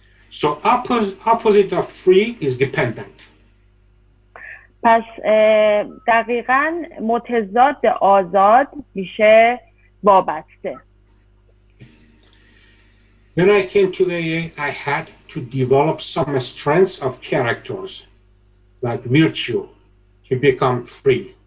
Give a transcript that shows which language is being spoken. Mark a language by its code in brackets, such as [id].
[en] So opposite of free is dependent. [fa] پس دقیقاً متضاد آزاد میشه وابسته. [en] When I came to AA, I had to develop some strengths of characters, like virtue, to become free.